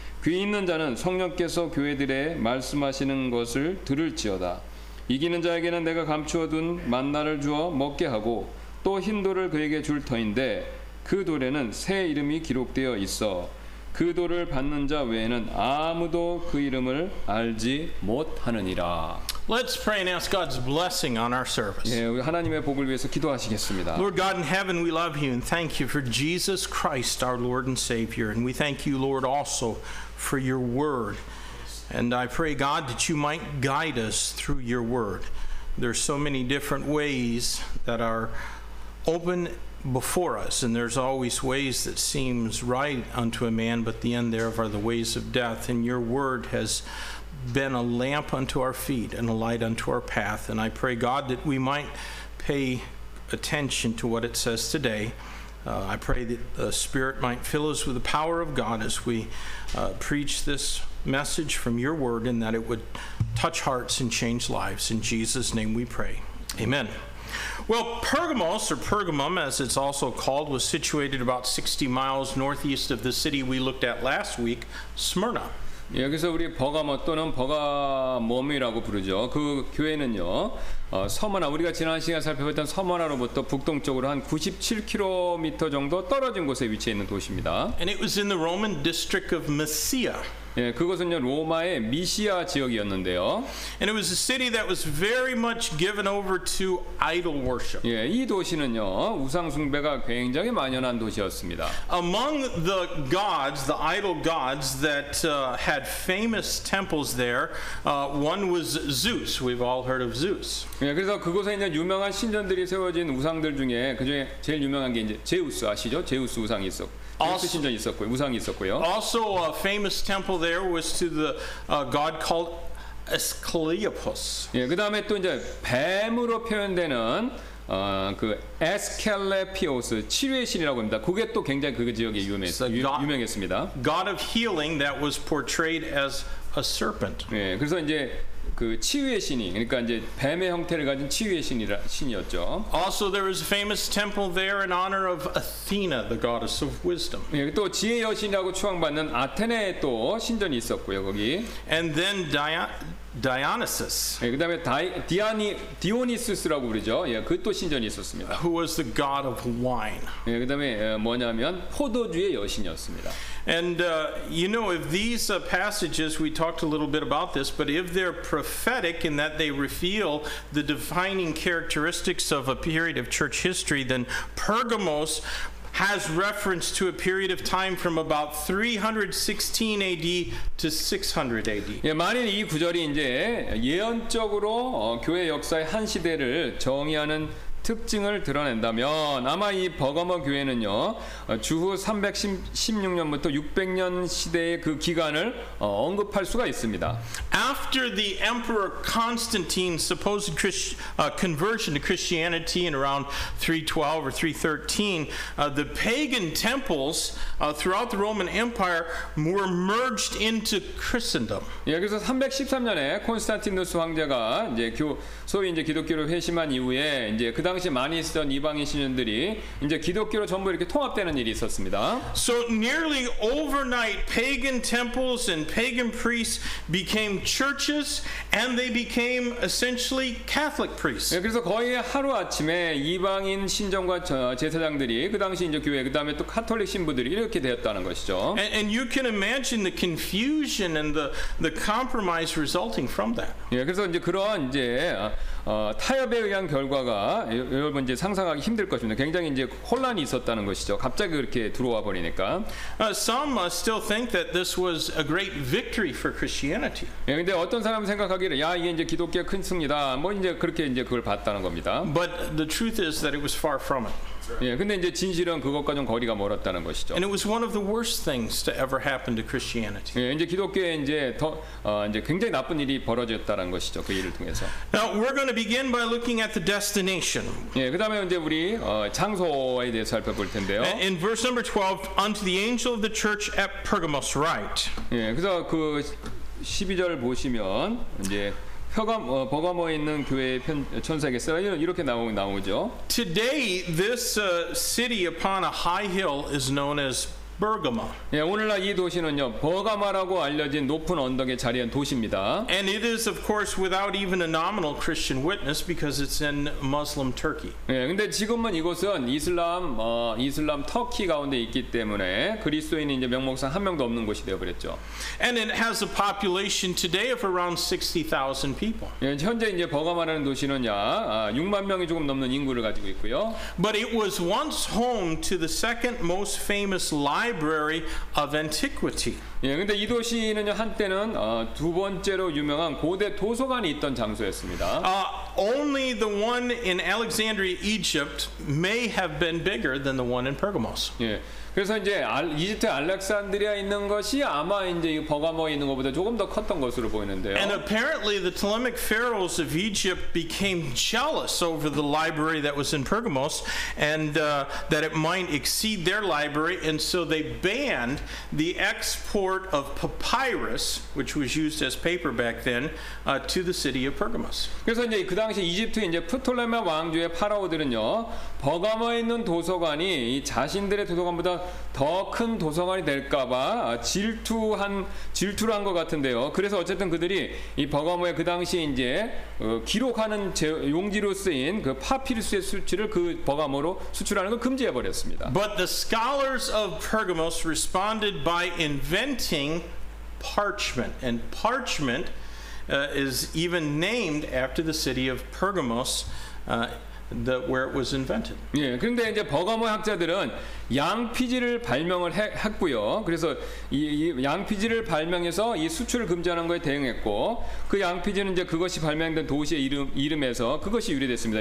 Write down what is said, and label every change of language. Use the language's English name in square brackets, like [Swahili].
[Korean] 귀 있는 자는 성령께서 교회들에 말씀하시는 것을 들을지어다. 이기는 자에게는 내가 감추어둔 만나를 주어 먹게 하고 또 흰 돌을 그에게 줄 터인데 그 돌에는 새 이름이 기록되어 있어 그 돌을 받는 자 외에는 아무도 그 이름을 알지 못하느니라. [English] Let's pray and ask God's blessing on our service. [Korean] 예, 우리 하나님의 복을 위해서 기도하시겠습니다. [English] Lord God in heaven, we love you and thank you for Jesus Christ, our Lord and Savior. And we thank you, Lord, also for your word. And I pray, God, that you might guide us through your word. There's so many different ways that are open before us, and there's always ways that seems right unto a man, but the end thereof are the ways of death. And your word has been a lamp unto our feet and a light unto our path. And I pray, God, that we might pay attention to what it says today. I pray that the Spirit might fill us with the power of God as we preach this message from your word, and that it would touch hearts and change lives. In Jesus' name we pray. Amen. Well, Pergamos, or Pergamum, as it's also called, was situated about 60 miles northeast of the city we looked at last week, Smyrna. [Korean] 여기서 우리 버가모 또는 버가몸이라고 부르죠. 그 교회는요, 서머나, 우리가 지난 시간에 살펴봤던 서머나로부터 북동쪽으로 한 97km 정도 떨어진 곳에 위치해 있는 도시입니다. [English] And it was in the Roman district of Mysia. [Korean] 예, 그것은요, 로마의 미시아 지역이었는데요. [English] And it was a city that was very much given over to idol worship. [Korean] 예, 이 도시는요, 우상 숭배가 굉장히 만연한 도시였습니다. [English] Among the gods, the idol gods that had famous temples there, one was Zeus. We've all heard of Zeus. [Korean] 예, 그래서 그곳에 있는 유명한 신전들이 세워진 우상들 중에 그중에 제일 유명한 게 이제 제우스 아시죠? 제우스 우상이 있었고. [English] Also, a famous temple there was to the god called Asclepius. [Korean] 예, 그다음에 또 이제 뱀으로 표현되는 그 에스켈레피오스 치료의 신이라고 합니다. 그게 또 굉장히 그 지역에 유명했습니다. [English] God of healing that was portrayed as a serpent. [Korean] 예, 그래서 이제 그 치유의 신이 그러니까 이제 뱀의 형태를 가진 치유의 신이라 신이었죠. [English] Also there was a famous temple there in honor of Athena, the goddess of wisdom. [Korean] 예, 또 지혜 여신이라고 추앙받는 아테네의 또 신전이 있었고요, 거기. [English] And then Dionysus. [Korean] 예, 그다음에 디오니수스라고 부르죠. 예, 그 또 신전이 있었습니다. [English] Who was the god of wine? [Korean] 예, 그다음에 뭐냐면 포도주의 여신이었습니다. [English] And you know, if these passages, we talked a little bit about this, but if they're prophetic in that they reveal the defining characteristics of a period of church history, then Pergamos has reference to a period of time from about 316 AD to 600 AD. [Korean] 예, 만일 이 구절이 이제 예언적으로 교회 역사의 한 시대를 정의하는 특징을 드러낸다면 아마 이 버가모 교회는요 주후 316년부터 600년 시대의 그 기간을 언급할 수가 있습니다. [English] After the Emperor Constantine's supposed conversion to Christianity in around 312 or 313, the pagan temples throughout the Roman Empire were merged into Christendom. [Korean] 예, 그래서 313년에 콘스탄티누스 황제가 이제 소위 이제 기독교를 회심한 이후에 이제 그 당시 많이 있었던 이방인 신전들이 이제 기독교로 전부 이렇게 통합되는 일이 있었습니다. [English] So nearly overnight, pagan temples and pagan priests became churches, and they became essentially Catholic priests. [Korean] 예, 그래서 거의 하루 아침에 이방인 신전과 제사장들이 그 당시 이제 교회 그 다음에 또 카톨릭 신부들이 이렇게 되었다는 것이죠. [English] And you can imagine the confusion and the compromise resulting from that. [Korean] 예, 그래서 이제 그런 이제 타협에 의한 결과가 여러분 이제 상상하기 힘들 것입니다. 굉장히 이제 혼란이 있었다는 것이죠. 갑자기 그렇게 들어와 버리니까. [English] Some still think that this was a great victory for Christianity. [Korean] 예, 근데 어떤 사람 생각하기를 야 이게 이제 기독교의 큰 승리다. 뭐 이제 그렇게 이제 그걸 봤다는 겁니다. [English] But the truth is that it was far from it. [Korean] 예, 근데 이제 진실은 그것과 좀 거리가 멀었다는 것이죠. [English] And it was one of the worst things to ever happen to Christianity. [Korean] 예, 이제 기독교에 이제 이제 굉장히 나쁜 일이 벌어졌다는 것이죠. 그 일을 통해서. [English] Now we're going to begin by looking at the destination. [Korean] 예, 그다음에 이제 우리 장소에 대해서 살펴볼 텐데요. [English] In verse number 12, unto the angel of the church at Pergamos write. [Korean] 예, 그래서 그 12절 보시면 이제 버가모에 있는 교회의 천사에게 쓰라 이렇게 나오죠. [English] Today this city upon a high hill is known as Bergamo. [Korean] 예, 오늘날 이 도시는요 버가마라고 알려진 높은 언덕에 자리한 도시입니다. [English] And it is of course without even a nominal Christian witness because it's in Muslim Turkey. [Korean] 예, 근데 지금은 이곳은 이슬람 터키 가운데 있기 때문에 그리스도인이 이제 명목상 한 명도 없는 곳이 되어버렸죠. [English] And it has a population today of around 60,000 people. [Korean] 예, 현재 이제 버가마라는 도시는 약 6만 명이 조금 넘는 인구를 가지고 있고요. [English] But it was once home to the second most famous library of antiquity. [Korean] 예, 근데 이 도시는 한때는 두 번째로 유명한 고대 도서관이 있던 장소였습니다. [English] Only the one in Alexandria, Egypt may have been bigger than the one in Pergamos. [Korean] 예. 그래서 이제 이집트 알렉산드리아 있는 것이 아마 이제 버가모에 있는 것보다 조금 더 컸던 것으로 보이는데요. [English] And apparently the Ptolemaic pharaohs of Egypt became jealous over the library that was in Pergamos and that it might exceed their library and so they banned the export of papyrus which was used as paper back then to the city of Pergamos. [Korean] 그래서 이제 그 당시 이집트 이제 프톨레마 왕조의 파라오들은요. 버가모에 있는 도서관이 자신들의 도서관보다 더 큰 도서관이 될까봐 질투를 한 것 같은데요. 그래서 어쨌든 그들이 이 버가모의 그 당시에 이제 기록하는 용지로 쓰인 그 파피루스의 수치를 그 버가모로 수출하는 걸 금지해 버렸습니다. [English] But the scholars of Pergamos responded by inventing parchment, and parchment is even named after the city of Pergamos. that where it was invented. [Korean] 예, 그런데 이제 버가모 학자들은 양피지를 발명을 했고요. 그래서 이 양피지를 발명해서 이 수출을 금지하는 거에 대응했고 그 양피지는 이제 그것이 발명된 도시의 이름에서 그것이 유래됐습니다.